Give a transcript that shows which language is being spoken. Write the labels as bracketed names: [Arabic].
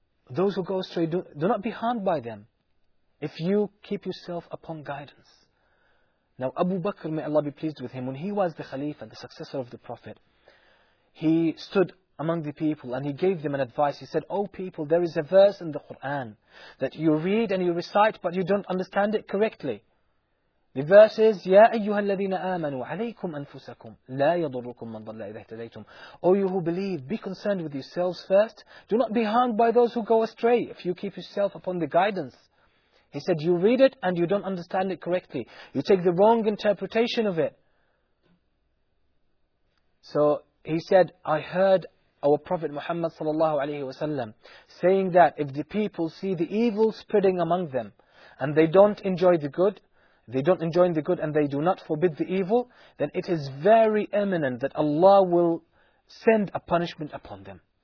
[English] Those who go astray, do not be harmed by them if you keep yourself upon guidance. Now Abu Bakr, may Allah be pleased with him, when he was the Khalifa, the successor of the Prophet, he stood among the people and he gave them an advice. He said, "Oh people, there is a verse in the Quran that you read and you recite but you don't understand it correctly. The verse is, [Arabic] يَا أَيُّهَا الَّذِينَ آمَنُوا عَلَيْكُمْ أَنفُسَكُمْ لَا يَضُرُّكُمْ مَنْ ضَلَّ إِذَا اهْتَدَيْتُمْ. [English] All you who believe, be concerned with yourselves first. Do not be harmed by those who go astray if you keep yourself upon the guidance." He said, you read it and you don't understand it correctly. You take the wrong interpretation of it. So he said, I heard our Prophet Muhammad sallallahu alayhi wa sallam saying that if the people see the evil spreading among them and they don't enjoy the good, they don't enjoin the good and they do not forbid the evil, then it is very imminent that Allah will send a punishment upon them.